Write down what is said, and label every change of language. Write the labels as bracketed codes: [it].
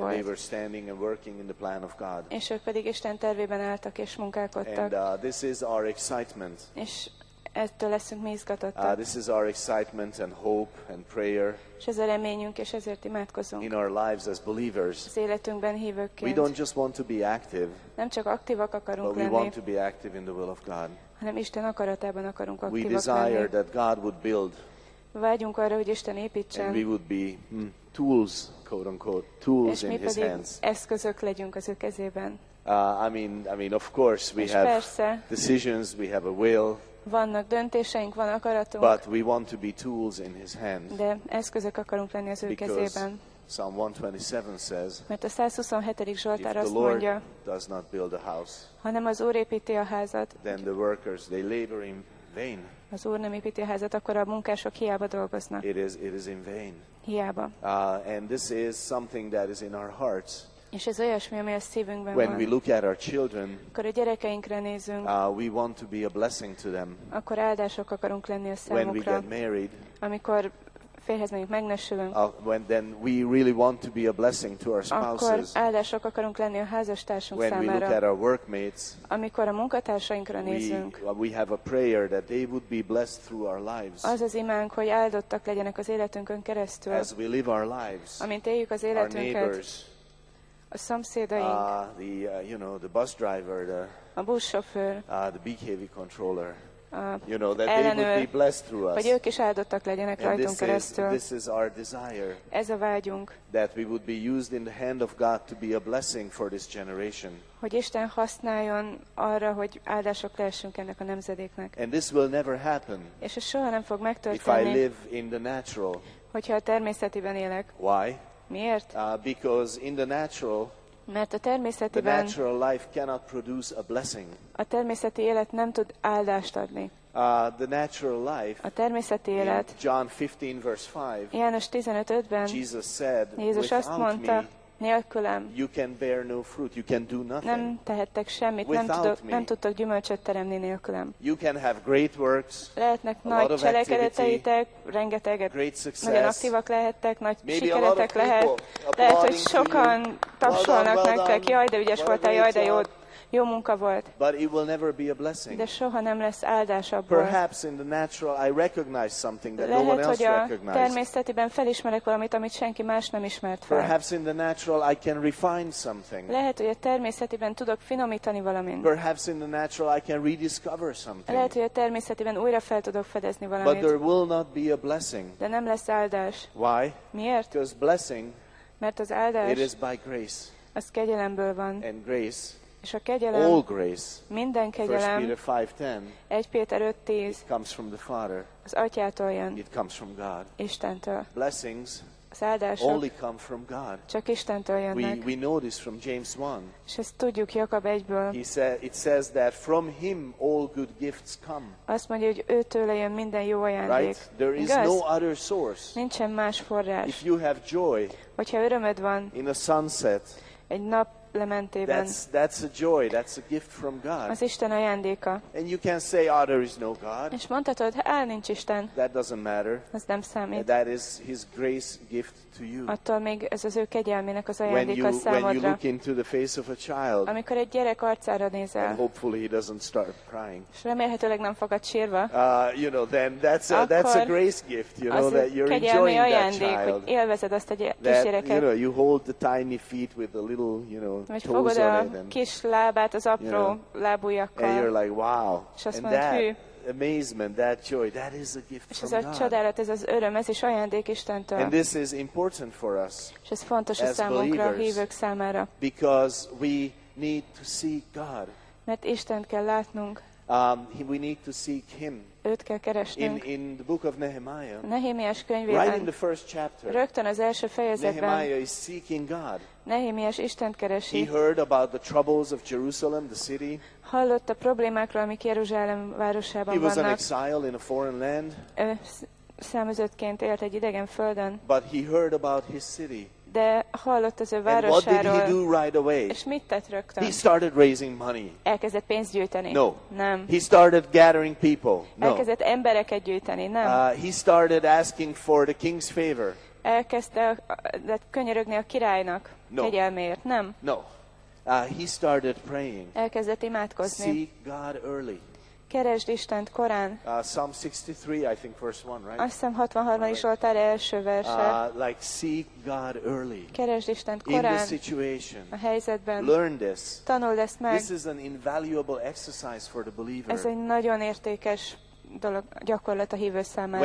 [en] And they were standing and working in the plan of God. [hu] És ők pedig Isten tervében álltak és munkálkodtak. [en] And this is our excitement. [hu] És ettől leszünk mi izgatottak. [en] This is our excitement and hope and prayer. [hu] És ez a reményünk, és ezért imádkozunk. [en] In our lives as believers. [hu] Az életünkben hívőként. [en] We don't just want to be active. [hu] Nem csak aktívak akarunk lenni. [en] But we want to be active in the will of God. [hu] Hanem Isten akaratában akarunk aktívak lenni. [en] We desire that God would build. [hu] Vágyunk arra, hogy Isten építsen. [en] And we would be tools, quote unquote, tools in his hands. [hu] És mi pedig eszközök legyünk az ő kezében. [en] I mean, of course, we have decisions, we have a will. [hu] Vannak döntéseink, van akaratunk. [en] But we want to be tools in his hands. [hu] De eszközök akarunk lenni az ő kezében. [en] Psalm 127 says, [hu] mert a 127. Zsoltár azt mondja, [en] if the Lord does not build a house, [hu] hanem az Úr építi a házat, [en] then the workers, they labor in vain. [hu] Az Úr nem építi a házat, akkor a munkások hiába dolgoznak. [en] It is in vain. [hu] Hiába. [en] And this is something that is in our hearts. [hu] És ez olyasmi, ami a szívünkben van. [en] When we look at our children, [hu] akkor a gyerekeinkre nézünk, [en] we want to be a blessing to them. [hu] Akkor áldások akarunk lenni a számukra. [en] When we get married, [hu] amikor férhez megyünk, megnősülünk, [en] then we really want to be a blessing to our spouses. [hu] Akkor áldások akarunk lenni a házastársunk [en] when [hu] számára. [en] When we look at our workmates, [hu] amikor a munkatársainkra nézünk, [en] we have a prayer that they would be blessed through our lives. [hu] Az az imánk, hogy áldottak legyenek az életünkön keresztül. [en] As we live our lives, [hu] amint éljük az életünket, [en] our neighbors, [hu] a szomszédaink, [en] the bus driver, [hu] a buszsofőr, [en] the behavior controller, that [hu] ellenőr, [en] they would be blessed through us. [hu] Hogy ők is áldottak legyenek [en] and [hu] rajtunk keresztül. [en] This is our desire. [hu] Ez a vágyunk. [en] That we would be used in the hand of God to be a blessing for this generation. [hu] Hogy Isten használjon arra, hogy áldások lehessünk ennek a nemzedéknek. [en] And this will never happen. [hu] És ez soha nem fog megtörténni. [en] If I live in the natural. [hu] Hogyha a természetiben élek. [en] Why? [hu] Miért? [en] Because in the natural. [hu] Mert a természetiben. [en] The natural life cannot produce a blessing. [hu] A természeti élet nem tud áldást adni. [en] The natural life, [hu] a természeti élet. [en] John 15 verse 5. [hu] János 15:5-ben. [en] Jesus said, [hu] Jézus azt mondta, nélkülem. [en] You can bear no fruit, you can do nothing. [hu] Nem tehettek semmit, nem tudtok gyümölcsöt teremni nélkülem. [en] You can have great works. [hu] Lehetnek nagy cselekedeteitek, rengeteget. [en] Great success. [hu] Nagyon aktívak lehettek, nagy sikeretek lehet. Lehet, hogy sokan tapsolnak nektek. Jaj, de ügyes voltál, jaj, de jó. Jó munka volt. [en] But it will never be a blessing. [hu] De soha nem lesz áldás abból. [en] Perhaps in the natural I recognize something that [hu] lehet, [en] no one else recognizes. [hu] Természetiben felismerek valamit, amit senki más nem ismert fel. [en] Perhaps in the natural I can refine something. [hu] Lehet, hogy a természetiben tudok finomítani valamit. [en] Perhaps in the natural I can rediscover something. [hu] Lehet, hogy a természetiben újra fel tudok fedezni valamit. [en] But there will not be a blessing. [hu] De nem lesz áldás. [en] Why? [hu] Miért? [en] Because blessing, [hu] mert az áldás, [en] it is by grace. [hu] Az kegyelemből van. [en] And grace, [hu] és a kegyelem, [en] all grace, [hu] minden kegyelem, [en] 1 Peter 5:10, [hu] 1 Péter 5:10, [en] it comes from the Father, [hu] az Atyától jön, [en] it comes from God, [hu] Istentől. [en] Blessings, [hu] az áldások, [en] only come from God, [hu] csak Istentől jönnek. [en] We know this from James 1, [hu] és ezt tudjuk Jakab 1-ből. [en] He said, it says that from him all good gifts come. [hu] Azt mondja, hogy őtőle jön minden jó ajándék. [en] Right? There is no other source. [hu] Nincsen más forrás. [en] If you have joy, [hu] hogyha örömöd van, [en] in a sunset, [hu] egy nap lementében. [en] That's a joy. That's a gift from God. [hu] Az Isten ajándéka. [en] And you can say, oh, there is no God. [hu] És mondhatod, nincs Isten. [en] That doesn't matter. [hu] Ez nem számít. [en] And that is His grace gift to you. [hu] Attól még ez az ő kegyelmének az ajándéka számodra. [en] When you look into the face of a child. [hu] Amikor egy gyerek arcára nézel. [en] And hopefully he doesn't start crying. [hu] És remélhetőleg nem fogad sírva. [en] You know, then that's a grace gift. You know that you're enjoying [hu] ajándék, [en] that child. [hu] Hogy élvezed azt a kisgyereket. [en] You know, you hold the tiny feet with the little, you know. [hu] Vagy fogod a kis lábát az apró lábujjakkal. [en] And you're like, wow. [hu] És azt mondod, hű. [en] Amazement, that joy, that is a gift from God. [hu] És ez a csodálat, ez az öröm, ez is ajándék Istentől. [en] And this is important for us. [hu] És ez fontos a számunkra, a hívők számára. [en] Because we need to seek God. [hu] Mert Istent kell látnunk. [en] We need to seek Him. [hu] Őt kell keresnünk. [en] In the book of Nehemiah. [hu] Nehémiás könyvében. [en] Right in the first chapter. [hu] Rögtön az első fejezetben. [en] Nehemiah is seeking God. [hu] Nehémiás Istent keresi. [en] He heard about the troubles of Jerusalem, the city. [hu] Hallott a problémákról, amik Jeruzsálem városában vannak. [en] He was an exile in a foreign land. [hu] Számozottként élt egy idegen földön. [en] But he heard about his city. [hu] De hallott az ő városáról. [en] And what did he do right away? [hu] És mit tett rögtön? [en] He started raising money. [hu] Elkezdett pénzt gyűjteni. [en] No. [hu] Nem. [en] He started gathering people. No. [hu] Elkezdett embereket gyűjteni. Nem. [en] He started asking for the king's favor. [hu] Elkezdte könyörögni a királynak. [en] No. [hu] Kegyelmért. Nem. [en] No. He started praying. [hu] Elkezdett imádkozni. [en] Seek God early. [hu] Keresd Istent korán. [en] Psalm 63, I think, verse 1, right? [hu] Azt hiszem 63. Zsoltár első verse. [en] Like, seek God early. [hu] Keresd Istent korán. [en] In the situation. [hu] A helyzetben. [en] Learn this. [hu] Tanuld ezt meg. [en] This is an invaluable exercise for the believer. [hu] Ez egy nagyon értékes dolog, gyakorlat a hívő számára.